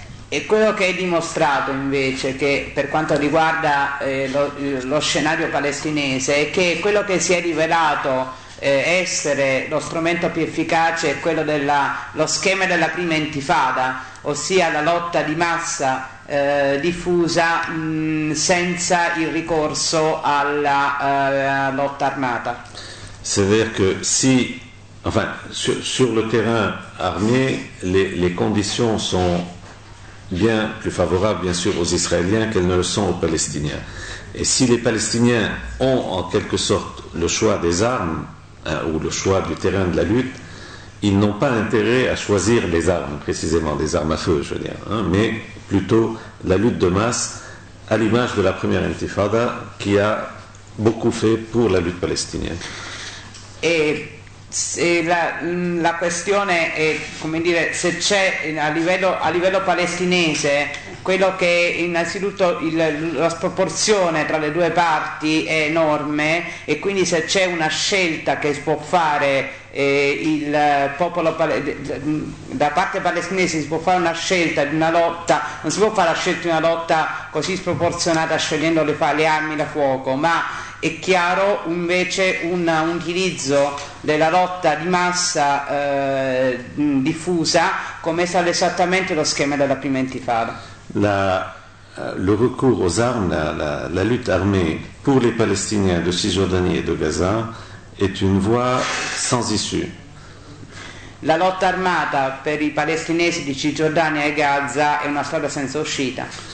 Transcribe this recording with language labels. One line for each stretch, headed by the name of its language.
Italian: E quello che è dimostrato invece che per quanto riguarda lo scenario palestinese è che quello che si è rivelato essere lo strumento più efficace è quello della, lo schema della prima intifada, ossia la lotta di massa diffusa senza il ricorso alla lotta armata.
French: C'est-à-dire que si, enfin, sur le terrain armier, les conditions sont bien plus favorables, bien sûr, aux Israéliens qu'elles ne le sont aux Palestiniens. Et si les Palestiniens ont, en quelque sorte, le choix des armes, hein, ou le choix du terrain de la lutte, ils n'ont pas intérêt à choisir les armes, précisément, les armes à feu, je veux dire, hein, mais plutôt la lutte de masse, à l'image de la première intifada, qui a beaucoup fait pour la lutte palestinienne.
Italian: Et la questione è, come dire, se c'è a livello palestinese quello che è innanzitutto la sproporzione tra le due parti è enorme, e quindi se c'è una scelta che può fare il popolo da parte palestinese, si può fare una scelta di una lotta, non si può fare la scelta di una lotta così sproporzionata scegliendo le armi da fuoco, ma è chiaro invece un utilizzo della lotta di massa diffusa come è stato esattamente lo schema della prima intifada.
French: Le recours aux armes, la lutte armée pour les Palestiniens de Cisjordanie et de Gaza est une voie sans issue.
Italian: La lotta armata per i palestinesi di Cisgiordania e Gaza è una strada senza uscita.